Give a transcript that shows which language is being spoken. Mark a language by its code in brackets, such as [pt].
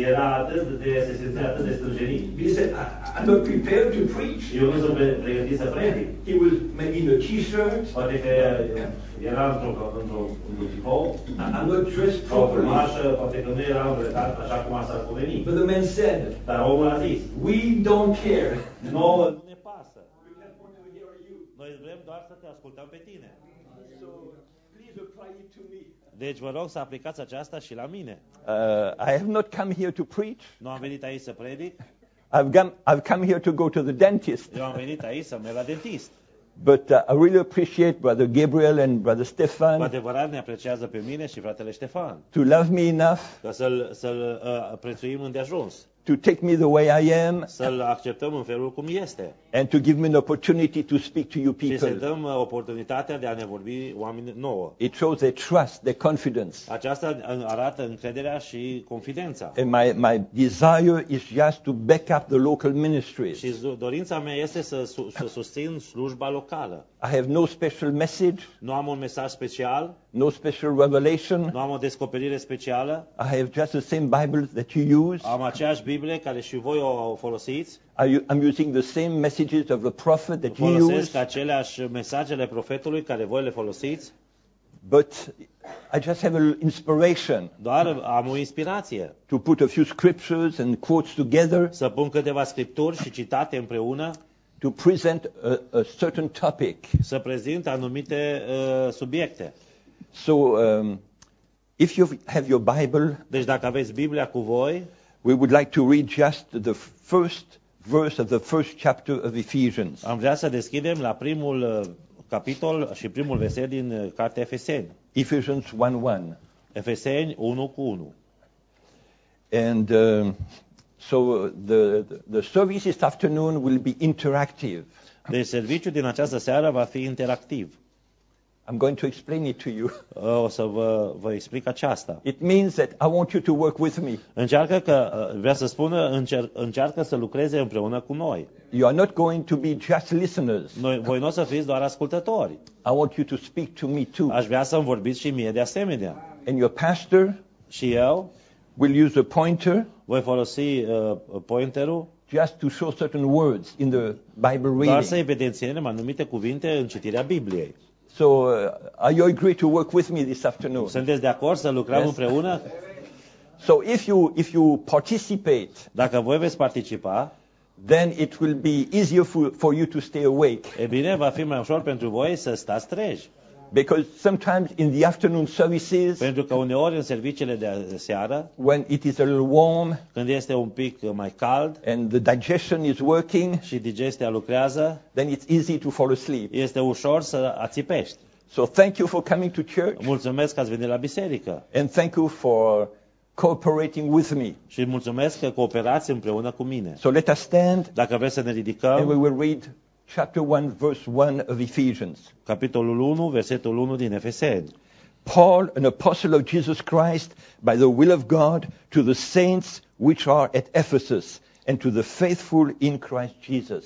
[ro] Era atât de, se simțea atât de strânjenit. [en] He said, I'm not prepared to preach. [ro] Eu nu sunt pregătit să predic. [en] He was maybe in a t-shirt. [ro] Poate că era într-un tricou. [en] I'm not dressed properly. [ro] O frumoasă, poate că nu era îmbrăcat așa cum s-ar cuveni. [en] But the man said, [ro] dar omul a zis, [en] we don't care. [ro] No, nu ne pasă. Noi vrem doar să te ascultăm pe tine. Deci vă rog să aplicați aceasta și la mine. [en] I have not come here to preach. [ro] Nu am venit aici să predic. [en] I've come here to go to the dentist. [ro] Eu am venit aici să merg la dentist. [en] But I really appreciate Brother Gabriel and Brother Stefan. [ro] Cu adevărat ne apreciază pe mine și fratele Stefan. [en] To love me enough. [ro] Ca să-l prețuim îndeajuns. [en] to take me the way I am, [ro] să-l acceptăm în felul cum este, [en] and to give me an opportunity to speak to you people. [ro] Și să-i dăm oportunitatea de a ne vorbi oamenii nouă. [en] It shows their trust, their confidence. [ro] Aceasta arată încrederea și confidența. [en] And my desire is just to back up the local ministries. [ro] Și dorința mea este să susțin slujba locală. [en] I have no special message. [ro] Nu am un mesaj special. [en] No special revelation. [ro] Nu am o descoperire specială. [en] I have just the same Bible that you use. [ro] Am aceeași Biblie care și voi o folosiți. [en] I'm using the same messages of the prophet that you use. [ro] Folosesc aceleași mesajele profetului care voi le folosiți. [en] But I just have an inspiration. [ro] Doar am o inspirație. [en] To put a few scriptures and quotes together. [ro] Să pun câteva scripturi și citate împreună. [en] To present a certain topic. [ro] Să prezint anumite subiecte. [en] So if you have your Bible, [ro] deci dacă aveți Biblia cu voi, [en] we would like to read just the first verse of the first chapter of Ephesians. [ro] Am vrea să deschidem la primul capitol și primul verset din cartea Efeseni. [en] Ephesians 1:1. [ro] Efeseni 1:1. [en] And so the service this afternoon will be interactive. [ro] Deci serviciul din această seară va fi interactiv. [en] I'm going to explain it to you. [ro] O să vă explic aceasta. [en] It means that I want you to work with me. [ro] Încearcă că vrea să spună încearcă să lucreze împreună cu noi. [en] You are not going to be just listeners. [ro] Noi voi nu o să fiți doar ascultători. [en] I want you to speak to me too. [ro] Aș vrea să-mi vorbiți și mie de asemenea. [en] And your pastor, [ro] și eu, [en] will use a pointer. [ro] Voi folosi pointerul. [en] Just to show certain words in the Bible reading. [ro] Doar să evidențiem anumite cuvinte în citirea Bibliei. [en] So, are you agree to work with me this afternoon? [ro] Sunteți de acord să lucrăm împreună? [en] So, if you participate, [ro] dacă voi veți participa, [en] then it will be easier for you to stay awake. [ro] E bine, va fi mai ușor pentru voi să stați treji. [en] Because sometimes in the afternoon services, [ro] pentru că uneori în serviciile de seară, [en] when it is a little warm, [ro] când este un pic mai cald, [en] and the digestion is working, [ro] și digestia lucrează, [en] then it's easy to fall asleep. [ro] Este ușor să ațipești. [en] So thank you for coming to church. [ro] Mulțumesc că ați venit la biserică. [en] And thank you for cooperating with me. [ro] Și mulțumesc că cooperați împreună cu mine. [en] So let us stand. [ro] Dacă vreți să ne ridicăm. [en] And we will read Chapter 1, verse 1 of Ephesians. [ro] Capitolul 1, versetul 1 din Efeseni. [en] Paul, an apostle of Jesus Christ, by the will of God, to the saints which are at Ephesus, and to the faithful in Christ Jesus.